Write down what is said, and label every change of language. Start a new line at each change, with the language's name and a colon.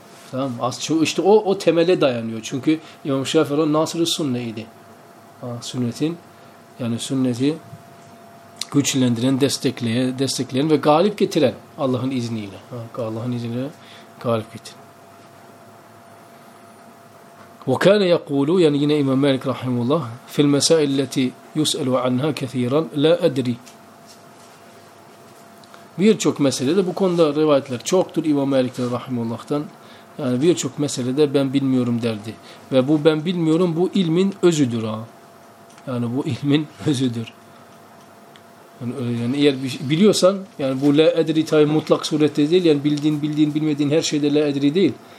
Turkish: Tamam, az çok işte o temele dayanıyor. Çünkü İmam Şafii o Nasr-ı Sunne'ydi. Ha, sünnetin yani sünneti güçlendiren, destekleyen ve galip getiren Allah'ın izniyle. Ha, Allah'ın izniyle galip getiren.
Arabic: وكان يقول يعني إمام مالك رحمه الله في المسائل التي يسأل عنها كثيرا لا أدري.
Turkish: Birçok meselede bu konuda rivayetler çoktur İmam Malik rahimehullah'tan. Yani birçok meselede ben bilmiyorum derdi. Ve bu ben bilmiyorum bu ilmin özüdür ha. Yani bu ilmin özüdür. Yani eğer biliyorsan yani bu la edri tabi mutlak surette değil yani bildiğin bilmediğin her şeyde la edri değil.